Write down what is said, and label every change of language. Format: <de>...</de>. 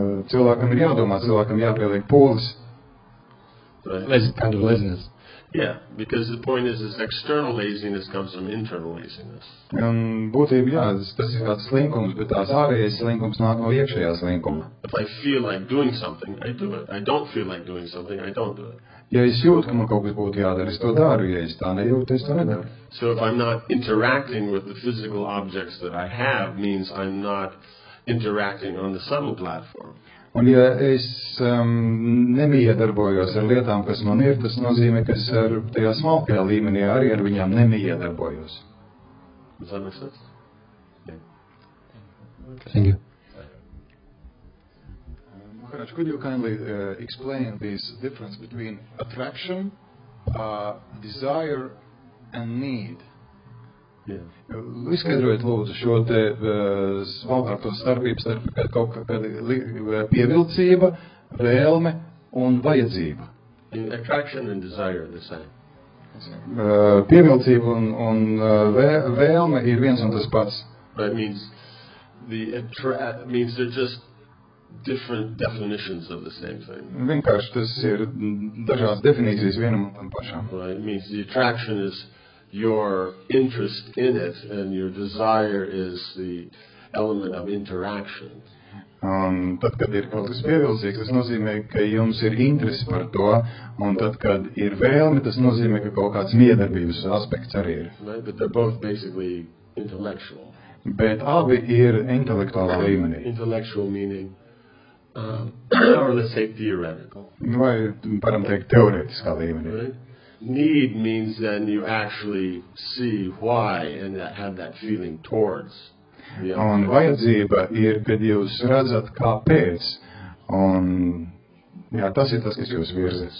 <lv>Cilvēkam ir jādomā, cilvēkam jāpieliek pūles.</lv> <en>Right. Kind of laziness. Yeah, because the point is external laziness comes from internal laziness.</en> <lv>Būtībā, jā, tas ir kāds slinkums, bet tās ārējais slinkums nāk no iekšējā slinkuma.</lv> <en>If I feel like doing something, I do it. I don't feel like doing something, I don't do it.</en> <lv>Ja es jūtu, ka man kaut kas būtu jādara, es to daru, ja es tā nejūtu, es to nedaru.</lv> <en>So if I'm not interacting with the physical objects that I have, means I'm not interacting on the subtle platform.</en> <lv>Un ja es nemiedarbojos ar lietām, kas man ir, tas nozīmē, ka es ar tajā smalkajā līmenī arī ar viņām nemiedarbojos.</lv> <en>Does that make sense? Thank you. Maharaj, could you kindly explain this difference between attraction, desire and need? Yeah.</en> <lv>Izskaidrojiet lūdzu šo te smalkāk to starpību starp kaut kādu pievilcība, vēlme un vajadzība.</lv> <en>Attraction and desire are the same.</en> <lv>Pievilcība un vēlme ir viens un tas pats.</lv> <en>That means means they're just different definitions of the same thing.</en> <lv>Vienkārši tas ir dažādas definīcijas vienam un tam pašam.</lv> <en>Right, it means the attraction is your interest in it and your desire is the element of interaction.</en> <lv>Tad, kad ir kaut kas pievilcīgs, tas nozīmē, ka jums ir interesi par to, un tad, kad ir vēlme, tas nozīmē, ka kaut kāds miedarbības aspekts arī ir.</lv> <en>Right, but they're both basically intellectual.</en> <lv>Bet abi ir intelektuālā līmenī.</lv> <en>Intellectual meaning or let's say theoretical.</en> <lv>Vai, param teikt, teoretiskā līmenī.</lv> <en>Right. Need means then you actually see why and have that feeling towards. Yeah.</en> <lv>Un vajadzība ir, kad jūs redzat, kāpēc, un jā, tas ir tas, kas jūs virza.</lv>